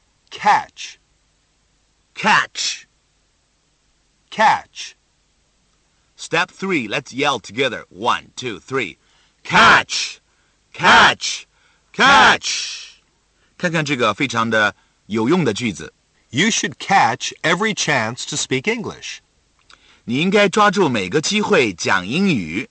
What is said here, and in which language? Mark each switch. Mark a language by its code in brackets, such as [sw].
[en] Catch. Catch. Catch. Step 3, let's yell together. 1, 2, 3. Catch. Catch. Catch. Catch. [zh] 看看这个非常的有用的句子。 [en] You should catch every chance to speak English. [zh] 你应该抓住每个机会讲英语。